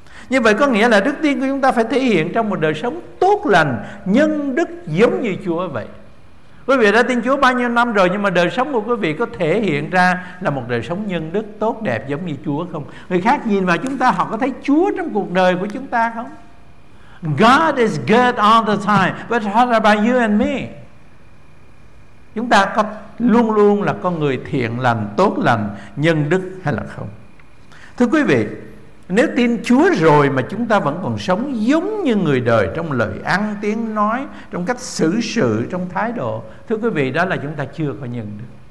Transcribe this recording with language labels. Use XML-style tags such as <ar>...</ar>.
<vi>Như vậy có nghĩa là đức tin của chúng ta phải thể hiện trong một đời sống tốt lành, nhân đức giống như Chúa vậy. Quý vị đã tin Chúa bao nhiêu năm rồi, nhưng mà đời sống của quý vị có thể hiện ra là một đời sống nhân đức tốt đẹp giống như Chúa không? Người khác nhìn vào chúng ta, họ có thấy Chúa trong cuộc đời của chúng ta không?</vi> <en>God is good all the time, but what about you and me?</en> <vi>Chúng ta có luôn luôn là con người thiện lành, tốt lành, nhân đức hay là không? Thưa quý vị, nếu tin Chúa rồi mà chúng ta vẫn còn sống giống như người đời trong lời ăn, tiếng nói, trong cách xử sự, trong thái độ, thưa quý vị, đó là chúng ta chưa có nhân đức.</vi>